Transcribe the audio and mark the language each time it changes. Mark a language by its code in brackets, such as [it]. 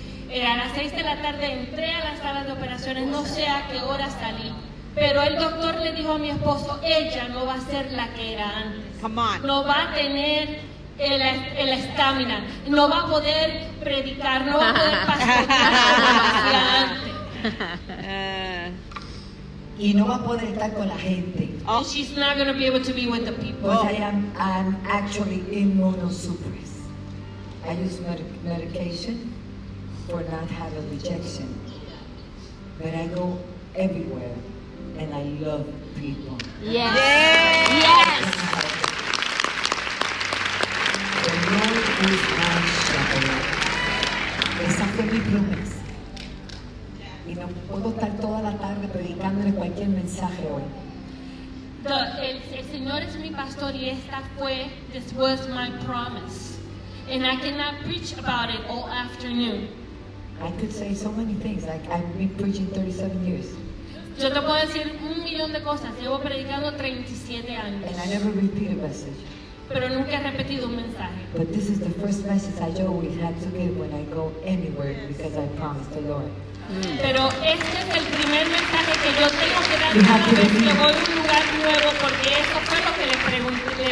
[es] A las 6 de la tarde entré a la sala de operaciones, no sé a qué hora salí, pero el doctor le dijo a mi esposo, "Ella no va a ser la que era antes. [en] Come on. [es] No va a tener el estamina, no va a poder predicar, no va a poder pastorear como hacía antes. Y no va a poder estar con la gente." [en] Oh, she's not going to be able to be with the people. Because I'm actually immunosuppressed. I use medication for not having rejection. But I go everywhere and I love people. Yes. Yes. Yes. The Lord is my shepherd. [es] Esa fue mi promesa. Y no puedo estar toda la tarde predicándole cualquier mensaje hoy. El Señor es mi pastor, y esta fue, [en] this was my promise. And I cannot preach about it all afternoon. I could say so many things, like I've been preaching 37 years. [es] Yo te puedo decir un millón de cosas, llevo predicando 37 años. [en] And I never repeat a message. [es] pero nunca he repetido un mensaje. [en] But this is the first message I always had to give when I go anywhere because I promised the Lord. [es] Pero este es el primer mensaje que yo tengo que dar cada vez que voy a un lugar nuevo porque eso fue lo que les pregunté.